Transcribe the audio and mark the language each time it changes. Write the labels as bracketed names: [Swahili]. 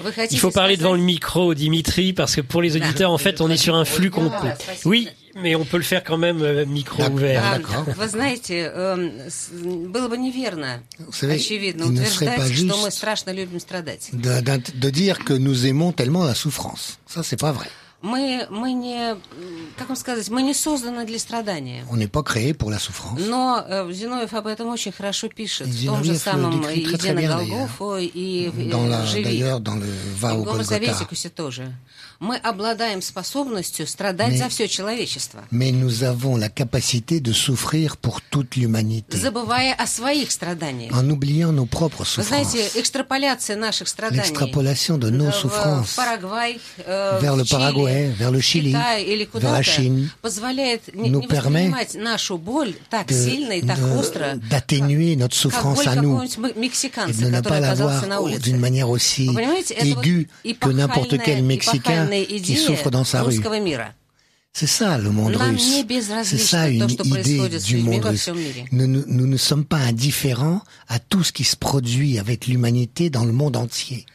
[French] Il faut parler devant le micro, Dimitri, parce que pour les auditeurs, en fait, on est sur un flux complet. Oui, mais on peut le faire quand même micro ouvert. Vous savez, il ne serait pas juste de dire que nous aimons tellement la souffrance. Ça, c'est pas vrai. [Russian] Мы не созданы для страдания. [French] On n'est pas créé pour la souffrance. [Russian] Но Зиновьев об этом очень хорошо пишет. В том же самом «Иди на Голгофу» и «Живи». В «Голгофе Советикусе» тоже. Мы обладаем способностью страдать за все человечество. [French] Mais nous avons la capacité de souffrir pour toute l'humanité. [Russian] Забывая о своих страданиях. [French] En oubliant nos propres souffrances. [Russian] Знаете, экстраполяция наших страданий. [French] L'extrapolation de nos souffrances. [Russian] В Парагвай, [French] vers le Paraguay, vers le Chili, vers la Chine. [Russian] Позволяет [French] nous permet [Russian] нашу боль так сильно и так остро. [French] D'atténuer notre souffrance à nous. Et de ne pas l'avoir d'une manière aussi aiguë que n'importe quel Mexicain. Qui souffre dans sa rue. C'est ça le monde russe. C'est ça une idée du monde russe. Nous ne sommes pas indifférents à tout ce qui se produit avec l'humanité dans le monde entier.